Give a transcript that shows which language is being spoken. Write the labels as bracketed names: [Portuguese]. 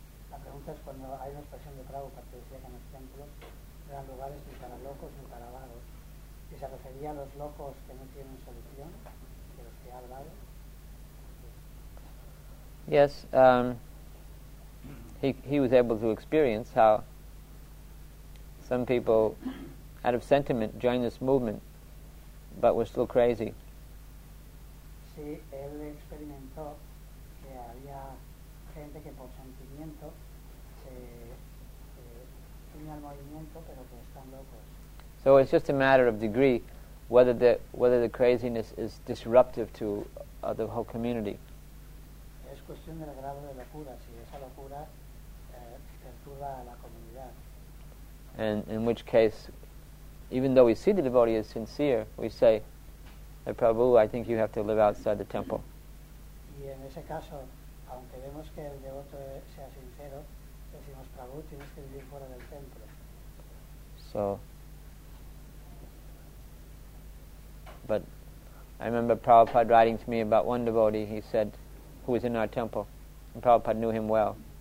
[Spanish] La pregunta es cuando hay una expresión de Prabhupada que decía que en los templos eran lugares ni para locos ni para vagos. ¿Y se refería a los locos que no tienen solución, que los que ha hablado? [English] Yes, he was able to experience how some people, out of sentiment, joined this movement, but were still crazy. [Spanish] Sí, él experimentó que había gente que por sentimiento se unía al movimiento, pero que están locos. [English] So it's just a matter of degree, whether the craziness is disruptive to the whole community. [Spanish] Es cuestión del grado de locura, si esa locura perturba a la comunidad. [English] And in which case, even though we see the devotee is sincere, we say, hey, Prabhu, I think you have to live outside the temple. [Spanish] Y en ese caso, aunque vemos que el devoto sea sincero, decimos, Prabhu, tienes que vivir fuera del templo. [English] So. But I remember Prabhupada writing to me about one devotee, he said, who was in our temple. And Prabhupada knew him well.